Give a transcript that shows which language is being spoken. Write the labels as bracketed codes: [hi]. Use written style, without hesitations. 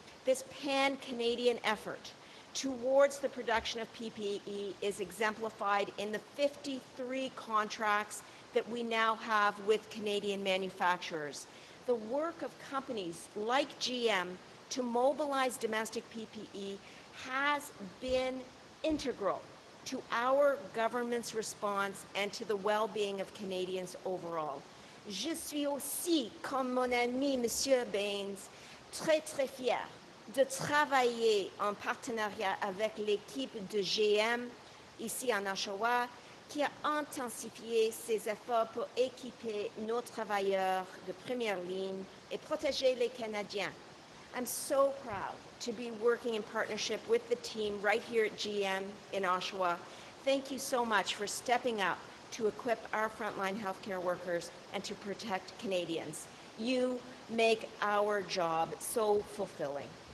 [en] This pan-Canadian effort towards the production of PPE is exemplified in the 53 contracts that we now have with Canadian manufacturers. The work of companies like GM to mobilize domestic PPE has been integral to our government's response and to the well-being of Canadians overall. [fr] Je suis aussi, comme mon ami Monsieur Baines, très très fier de travailler en partenariat avec l'équipe de GM ici en Oshawa qui a intensifié ses efforts pour équiper nos travailleurs de première ligne et protéger les Canadiens. [en] I'm so proud to be working in partnership with the team right here at GM in Oshawa. Thank you so much for stepping up to equip our frontline healthcare workers and to protect Canadians. You make our job so fulfilling.